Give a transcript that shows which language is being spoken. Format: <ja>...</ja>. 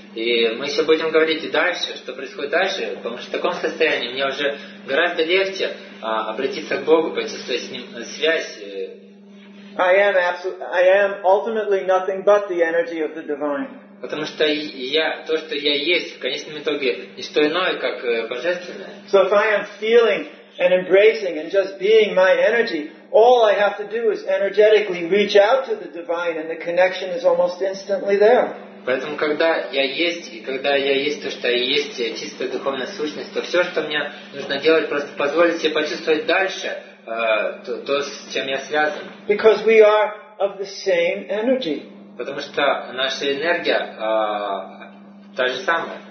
<ru>И мы еще будем говорить и дальше, что происходит дальше, потому что в таком состоянии мне уже гораздо легче обратиться к Богу, почувствовать с Ним связь.</ru> <en>I am ultimately nothing but the energy of the divine.</en> <ru>Потому что я то, что я есть, в конечном итоге не что иное, как божественное.</ru> <en>So if I am feeling and embracing and just being my energy, all I have to do is energetically reach out to the divine, and the connection is almost instantly there.</en> <ru>Поэтому, когда я есть, и когда я есть то, что я есть, чистая духовная сущность, то все, что мне нужно делать, просто позволить себе почувствовать дальше то, с чем я связан.</ru> <en>Because we are of the same energy.</en> <ru>Потому что наша энергия та же самая.</ru>